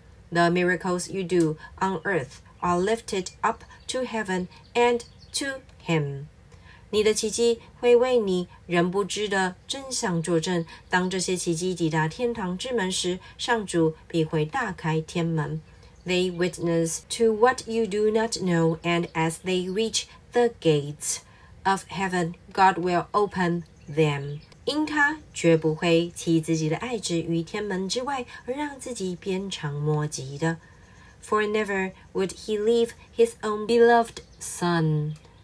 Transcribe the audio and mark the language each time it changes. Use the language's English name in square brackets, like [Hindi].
[English] The miracles you do on earth are lifted up to heaven and to him. [Chinese] 你的奇迹会为你人不知的真相作证，当这些奇迹抵达天堂之门时，上主必会大开天门。 [English] They witness to what you do not know, and as they reach the gates of heaven, God will open them. [Chinese] 因他绝不会弃自己的爱子于天门之外，而让自己鞭长莫及的。 [English] For never would he leave his own beloved son.